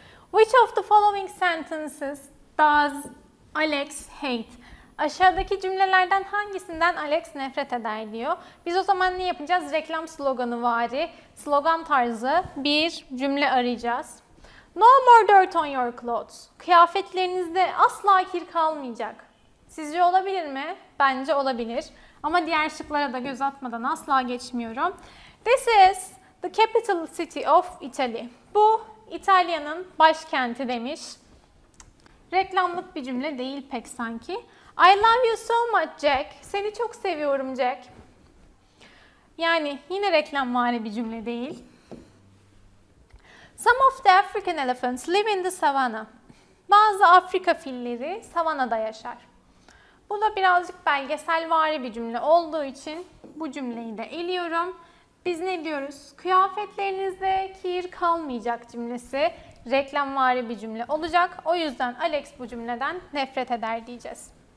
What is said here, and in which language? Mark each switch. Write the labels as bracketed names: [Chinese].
[English] Which of the following sentences does Alex hate? [Turkish] Aşağıdaki cümlelerden hangisinden Alex nefret eder diyor. Biz o zaman ne yapacağız? Reklam sloganı vari, slogan tarzı bir cümle arayacağız. [English] No more dirt on your clothes. [Turkish] Kıyafetlerinizde asla kir kalmayacak. Sizce olabilir mi? Bence olabilir. Ama diğer şıklara da göz atmadan asla geçmiyorum. [English] This is the capital city of Italy. [Turkish] Bu İtalya'nın başkenti demiş. Reklamlık bir cümle değil pek sanki. [English] I love you so much, Jack. [Turkish] Seni çok seviyorum, Jack. Yani yine reklamvari bir cümle değil. [English] Some of the African elephants live in the savannah. [Turkish] Bazı Afrika filleri savanada yaşar. Bu da birazcık belgeselvari bir cümle olduğu için bu cümleyi de eliyorum. Biz ne diyoruz? Kıyafetlerinizde kir kalmayacak cümlesi reklamvari bir cümle olacak. O yüzden Alex bu cümleden nefret eder diyeceğiz.